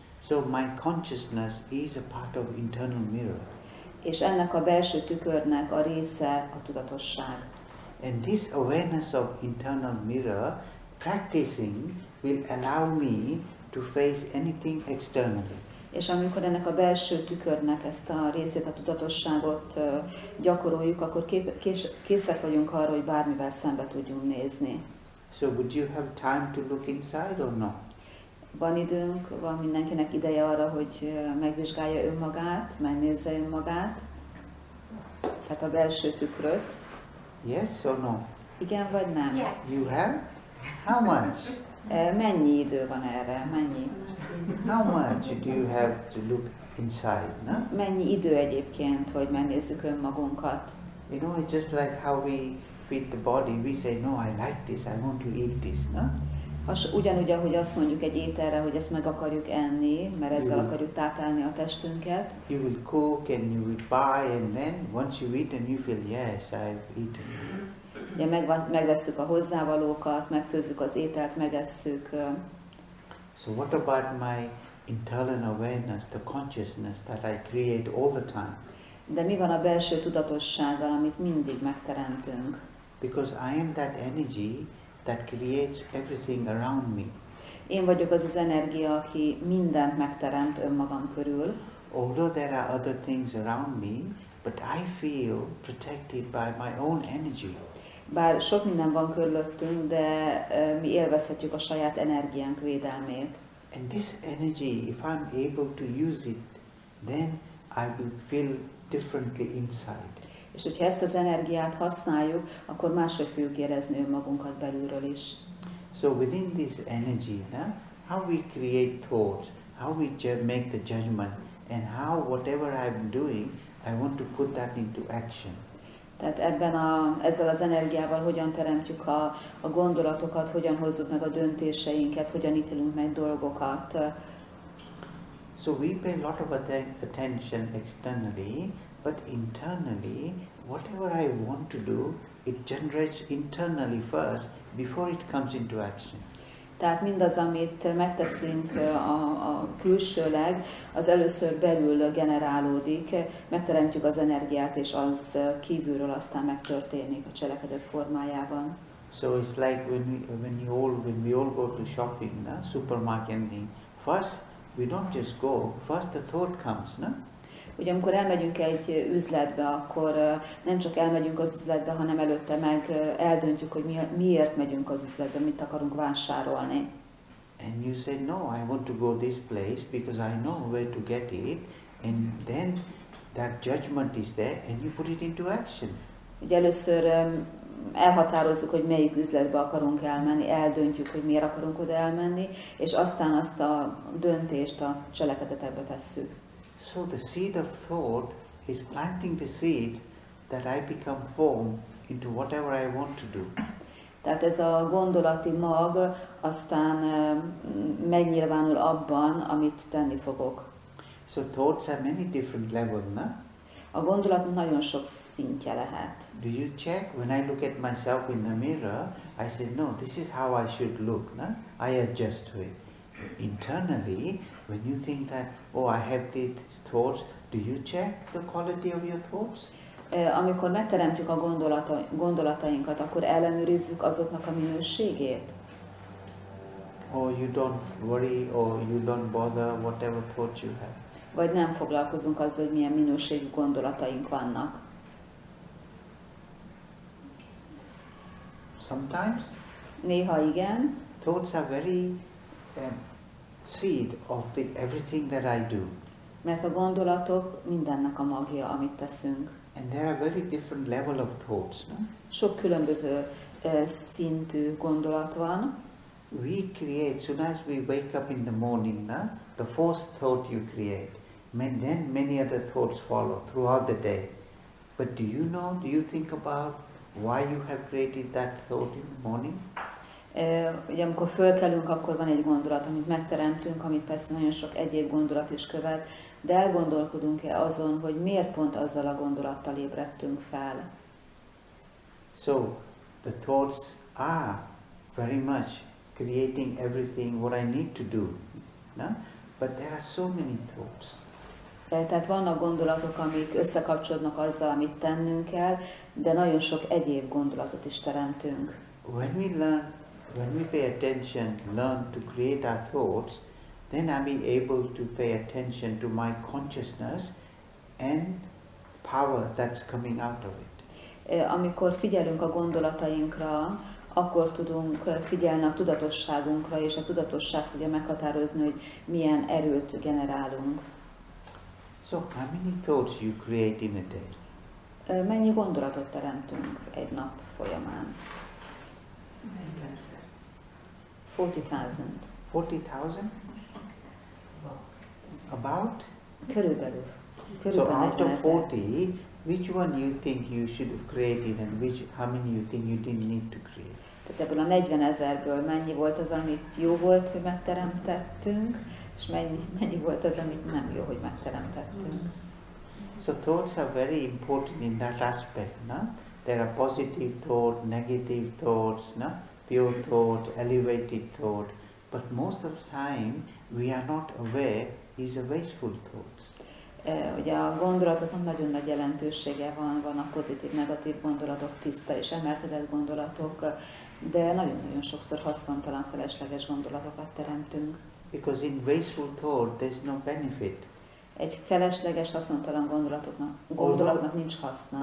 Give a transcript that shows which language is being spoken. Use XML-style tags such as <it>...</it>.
<en>So my consciousness is a part of internal mirror.</en> <hu>És ennek a belső tükörnek a része a tudatosság.</hu> <en>And this awareness of internal mirror practicing will allow me to face anything externally.</en> <hu>És amikor ennek a belső tükörnek ezt a részét, a tudatosságot gyakoroljuk, akkor készek vagyunk arra, hogy bármivel szembe tudjunk nézni.</hu> <en>So would you have time to look inside or not?</en> <hu>Van időnk, van mindenkinek ideje arra, hogy megvizsgálja önmagát, megnézze önmagát, tehát a belső tükröt.</hu> <en>Yes or no?</en> <hu>Igen vagy nem?</hu> <en>Yes. You have? How much?</en> <hu>Mennyi idő van erre? Mennyi?</hu> <en>How much do you have to look inside, no?</en> <hu>Mennyi idő egyébként, hogy megnézzük önmagunkat?</hu> <en>You know, it's just like how we feed the body, we say, no, I like this, I want to eat this, no?</en> <hu>Ugyanúgy, ahogy azt mondjuk egy ételre, hogy ezt meg akarjuk enni, mert ezzel akarjuk tápálni a testünket.</hu> <en>You will cook and you will buy and then once you eat and you feel, yes, I've eaten.</en> <hu>Ugye megvesszük a hozzávalókat, megfőzzük az ételt, megesszük.</hu> <en>So what about my internal awareness, the consciousness that I create all the time?</en> <hu>De mi van a belső tudatossággal, amit mindig megteremtünk?</hu> <en>Because I am that energy that creates everything around me.</en> <hu>Én vagyok az az energia, aki mindent megteremt önmagam körül.</hu> <en>Although there are other things around me, but I feel protected by my own energy.</en> <hu>Bár sok minden van körülöttünk, de mi élvezhetjük a saját energiánk védelmét.</hu> <en>And this energy, if I'm able to use it, then I will feel differently inside.</en> <hu>És hogyha ezt az energiát használjuk, akkor máshogy fogjuk érezni önmagunkat belülről is.</hu> <en>So within this energy, how we create thoughts, how we make the judgment, and how whatever I'm doing, I want to put that into action.</en> <hu>Tehát ebben ezzel az energiával hogyan teremtjük a gondolatokat, hogyan hozzuk meg a döntéseinket, hogyan ítélünk meg dolgokat.</hu> <en>So we pay a lot of attention externally, but internally, whatever I want to do, it generates internally first before it comes into action.</en> <hu>Tehát mindaz, amit megteszünk a külsőleg, az először belül generálódik, megteremtjük az energiát, és az kívülről aztán megtörténik a cselekedet formájában.</hu> <en>So it's like when we all go to shopping, na, supermarket, anything. First, we don't just go. First, the thought comes, na.</en> <hu>Ugye amikor elmegyünk egy üzletbe, akkor nem csak elmegyünk az üzletbe, hanem előtte meg eldöntjük, hogy miért megyünk az üzletbe, mit akarunk vásárolni.</hu> <en>And you say, no, I want to go this place because I know where to get it. And then that judgment is there, and you put it into action.</en> <hu>Ugye először elhatározzuk, hogy melyik üzletbe akarunk elmenni, eldöntjük, hogy miért akarunk oda elmenni, és aztán azt a döntést a cselekedetekbe tesszük.</hu> <en>So the seed of thought is planting the seed that I become form into whatever I want to do.</en> <hu>Tehát ez a gondolati mag aztán megnyilvánul abban, amit tenni fogok.</hu> <en>So thoughts are many different levels, na?</en> <hu>A gondolatnak nagyon sok szintje lehet.</hu> <en>Do you check when I look at myself in the mirror? I say, no, this is how I should look, na? I adjust to it. Internally, when you think that, oh, I have these thoughts, do you check the quality of your thoughts?</en> <hu>Amikor megteremtjük a gondolatainkat, akkor ellenőrizzük azoknak a minőségét.</hu> <en>Or you don't worry, or you don't bother, whatever thoughts you have.</en> <hu>Vagy nem foglalkozunk azzal, hogy milyen minőségű gondolataink vannak.</hu> <en>Sometimes.</en> <hu>Néha igen.</hu> <en>Thoughts are very seed of the everything that I do.</en> <hu>Mert a gondolatok mindennek a magja, amit teszünk.</hu> <en>And there are very different level of thoughts, no?</en> <hu>Sok különböző szintű gondolat van.</hu> <en>We create, soon as we wake up in the morning, no? The first thought you create. And then many other thoughts follow throughout the day. But do you know, do you think about why you have created that thought in the morning?</en> <hu>Ugye amikor fölkelünk, akkor van egy gondolat, amit megteremtünk, amit persze nagyon sok egyéb gondolat is követ, de elgondolkodunk-e azon, hogy miért pont azzal a gondolattal ébredtünk fel?</hu> <en>So, the thoughts are very much creating everything what I need to do, no? But there are so many thoughts.</en> <hu>Tehát vannak gondolatok, amik összekapcsolódnak azzal, amit tennünk kell, de nagyon sok egyéb gondolatot is teremtünk.</hu> <en>When we learn, when we pay attention, learn to create our thoughts, then I'll be able to pay attention to my consciousness and power that's coming out of it.</en> <hu>Amikor figyelünk a gondolatainkra, akkor tudunk figyelni a tudatosságunkra, és a tudatosság fogja meghatározni, hogy milyen erőt generálunk.</hu> <en>So how many thoughts you create in a day?</en> <hu>Mennyi gondolatot teremtünk egy nap folyamán?</hu> <en>40,000. 40,000? About?</en> <hu>Körülbelül.</hu> <en>So out of 40, which one you think you should have created and which, how many you think you didn't need to create?</en> <hu>Tehát ebből a 40,000-ből mennyi volt az, amit jó volt, hogy megteremtettünk, és mennyi volt az, amit nem jó, hogy megteremtettünk.</hu> <en>So thoughts are very important in that aspect, no? There are positive thoughts, negative thoughts, no? Pure thought, elevated thought, but most of the time we are not aware is a wasteful thoughts.</en> <hu>Ugye a gondolatoknak nagyon nagy jelentősége van, vannak pozitív, negatív gondolatok, tiszta és emelkedett gondolatok, de nagyon-nagyon sokszor haszontalan, felesleges gondolatokat teremtünk.</hu> <en>Because in wasteful thought there's no benefit.</en> <hu>Egy felesleges, haszontalan gondolatnak nincs haszna.</hu>